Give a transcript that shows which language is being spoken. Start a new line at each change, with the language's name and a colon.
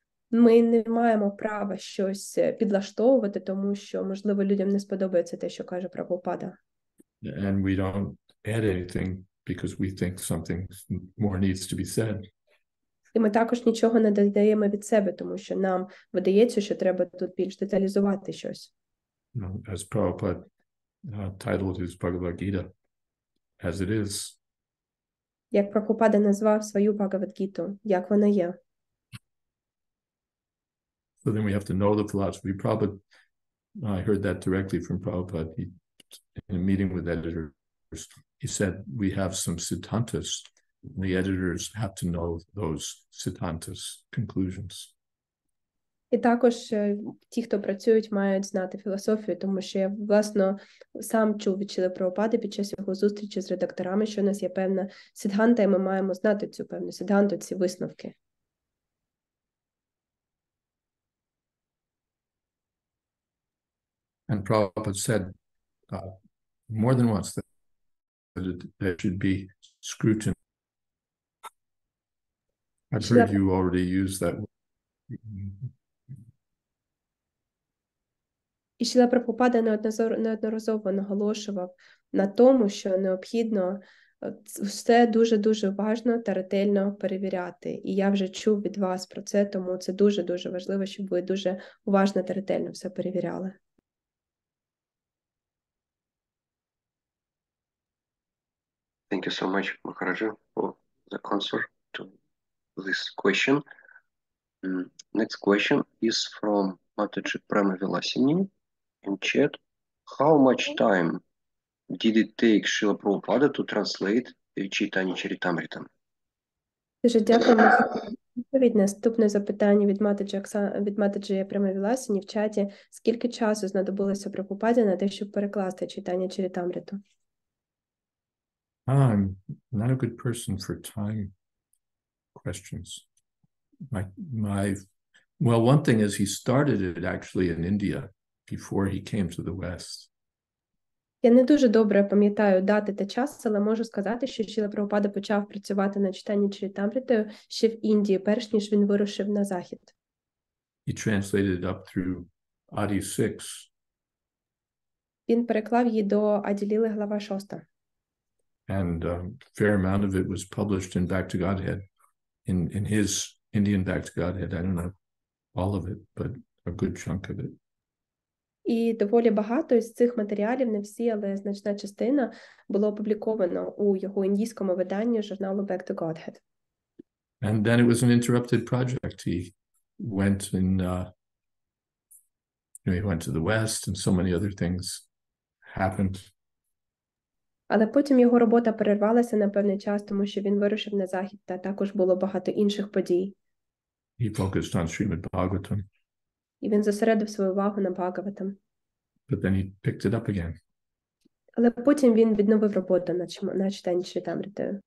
Ukrainian: Ми не маємо права щось підлаштовувати, тому що, можливо, людям не сподобається те, що каже Прабхупада.
English: And we don't add anything because we think something more needs to be said.
Ukrainian: І ми також нічого не додаємо від себе, тому що нам видається, що треба тут більш деталізувати щось.
English: As Prabhupada titled his Bhagavad-gita, as it is.
Ukrainian: Як Прабхупада назвав свою Бхагавад-гіту, як вона є.
English: So then we have to know the philosophy. Prabhupada, I heard that directly from Prabhupada. In a meeting with editors, he said, we have some siddhantas, and the editors have to know those siddhantas conclusions.
Ukrainian: І також ті, хто працюють, мають знати філософію, тому що я, власно, сам чув від Шіли Прабхупади під час його зустрічі з редакторами, що у нас є певна сіддханта, і ми маємо знати цю певну сіддханту, ці висновки.
English: And Prabhupada said, more than once that there should be scrutiny. I've heard you already use that word.
Ukrainian: І Шіла Прабхупада неодноразово наголошував на тому, що необхідно все дуже-дуже уважно та ретельно перевіряти. І я вже чув від вас про це, тому це дуже-дуже важливо, щоб ви дуже уважно та ретельно все перевіряли.
English: Thank you so much, Maharaja, for the answer to this question. Next question is from Mataji Prema Vilasini. In chat, how much time did it take Srila Prabhupada to translate Chaitanya Charitamrita?
Ukrainian: Дуже дякую за відповідь. Наступне запитання від Матаджі Према Віласіні в чаті. Скільки часу знадобилося Прабхупаді на те, щоб перекласти Чайтанья Чарітамриту?
English: I'm not a good person for time questions. Well, one thing is he started it actually in India. Before he came to the West.
Ukrainian: Я не дуже добре пам'ятаю дати та час, але можу сказати, що Шіла Прабхупада почав працювати на читанні Чарітамриту ще в Індії, перш ніж він вирушив на захід.
English: He translated it up through Adi 6.
Ukrainian: Він переклав її до Аділіли, глава 6.
English: And a fair amount of it was published in Back to Godhead, in his Indian Back to Godhead. I don't know all of it, but a good chunk of it.
Ukrainian: І доволі багато із цих матеріалів, не всі, але значна частина, було опубліковано у його індійському виданні журналу Back to Godhead.
English: And then it was an interrupted project. He went in, he went to the West and so many other things happened.
Ukrainian: Але потім його робота перервалася на певний час, тому що він вирушив на захід, та також було багато інших подій.
English: He focused on Shrimad-Bhagavatam.
Ukrainian: І він зосередив свою увагу на Бхагаватам.
English: But then he picked it up again.
Ukrainian: Але потім він відновив роботу на читанні Чарітамриту.